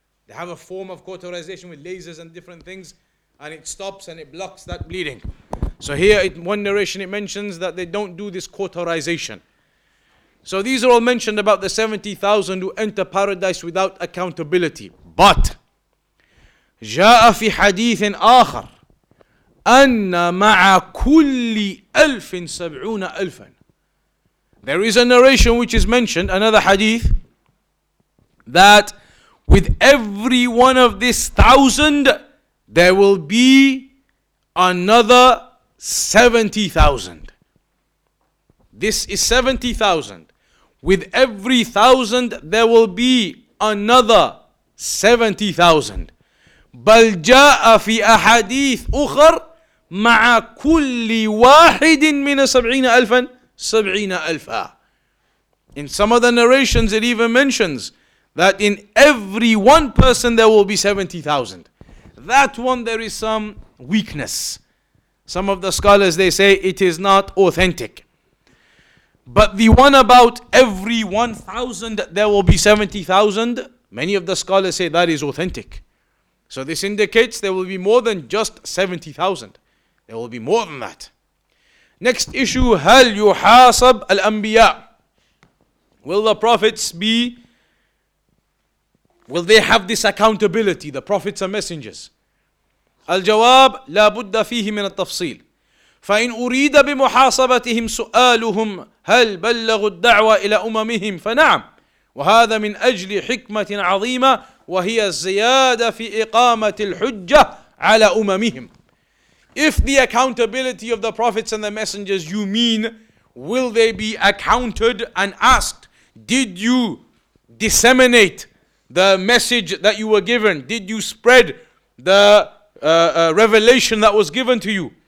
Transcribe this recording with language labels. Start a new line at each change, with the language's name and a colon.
English: They have a form of cauterization with lasers and different things, and it stops and it blocks that bleeding. So here in one narration it mentions that they don't do this cauterization. So these are all mentioned about the 70,000 who enter paradise without accountability. But
Arabic: جاء في حديث آخر أن مع كل ألف سبعون ألفا.
English: There is a narration which is mentioned, another hadith, that with every one of this thousand, there will be another 70,000. This is 70,000. With every thousand, there will be another 70,000.
Arabic: بل جاء في أحاديث أخر مع كل واحد من 70,000 70,000.
English: In some of the narrations it even mentions that in every one person there will be 70,000. That one there is some weakness. Some of the scholars they say it is not authentic. But the one about every 1,000 that there will be 70,000, many of the scholars say that is authentic. So this indicates there will be more than just 70,000. There will be more than that. Next issue,
Arabic: هَلْ يُحَاسَبْ الْأَنْبِيَاءَ.
English: Will the prophets be, will they have this accountability? The prophets are messengers.
Arabic: الجواب لا بد فيه من التفصيل. فإن أريد بمحاسبتهم سؤالهم هل بلغوا الدعوة إلى أممهم فنعم وهذا من أجل حكمة عظيمة وهي الزيادة في إقامة الحجة على أممهم.
English: If the accountability of the prophets and the messengers you mean, will they be accounted and asked, did you disseminate the message that you were given? Did you spread the revelation that was given to you?